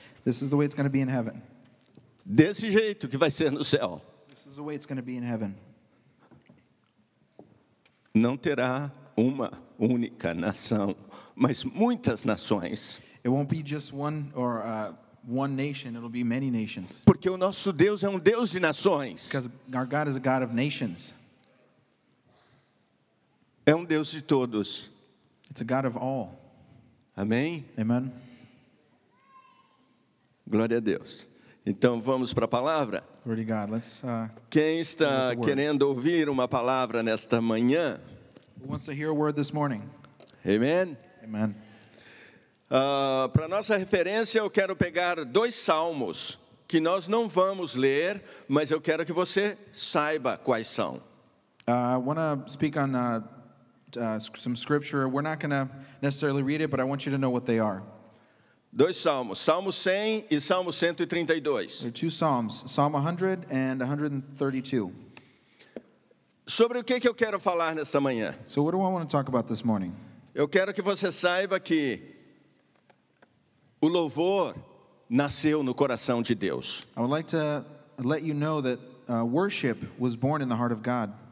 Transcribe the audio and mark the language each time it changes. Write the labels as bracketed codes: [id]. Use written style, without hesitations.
[en] This is the way it's going to be in heaven. [pt] Desse jeito que vai ser no céu. [en] This is the way it's going to be in heaven. [pt] Não terá uma única nação, mas muitas nações. [en] It won't be just one or one nation. It'll be many nations. [pt] Porque o nosso Deus é um Deus de nações. [en] Because our God is a God of nations. [pt] É um Deus de todos. [en] It's a God of all. [pt] Amém? [en] Amen. [pt] Glória a Deus. Então vamos para a palavra. [en] Glory to God. Let's, [pt] quem está querendo ouvir uma palavra nesta manhã? [en] Who wants to hear a word this morning? Amen. Amen. [pt] Para nossa referência, eu quero pegar dois salmos que nós não vamos ler, mas eu quero que você saiba quais são. [en] I want to speak on some scripture. We're not going to necessarily read it, but I want you to know what they are. [pt] Dois salmos, Salmo 100 e Salmo 132. [en] There are two psalms, Psalm 100 and 132. [pt] Sobre o que eu quero falar nesta manhã? [en] So what do I want to talk about this morning? [pt] Eu quero que você saiba que o louvor nasceu no coração de Deus. [en] I would like to let you know that worship was born in the heart of God.